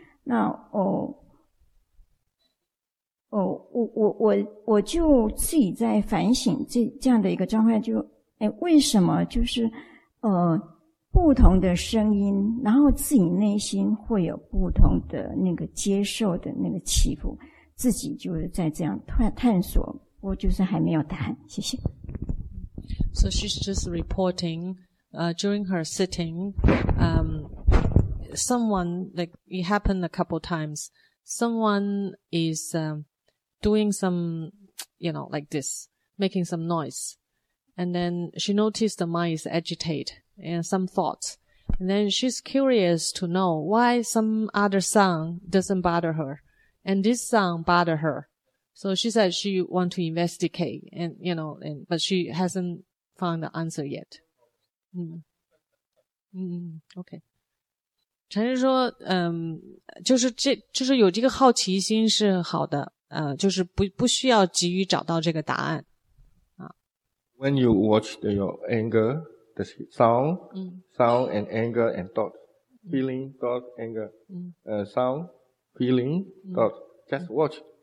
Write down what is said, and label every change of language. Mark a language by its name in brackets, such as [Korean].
[Chinese] 那我就自己在反省这样的一个状态，就为什么就是不同的声音，然后自己内心会有不同的那个接受的那个起伏，自己就是在这样探索。我就是还没有答案，谢谢。 [English] So she's just reporting, during her sitting, someone, like, it happened a couple times, someone is, doing some, you know, like this, making some noise. And then she noticed the mind is agitated and some thoughts. And then she's curious to know why some other sound doesn't bother her. And this sound bother her. So she said she want to investigate and, you know, but she hasn't found the answer yet. 嗯，OK. [Chinese] 禅师说，就是有这个好奇心是好的，就是不需要急于找到这个答案。 [English] When you watch your anger, the sound and anger and thought, feeling, thought, anger, sound, feeling, thought, just watch.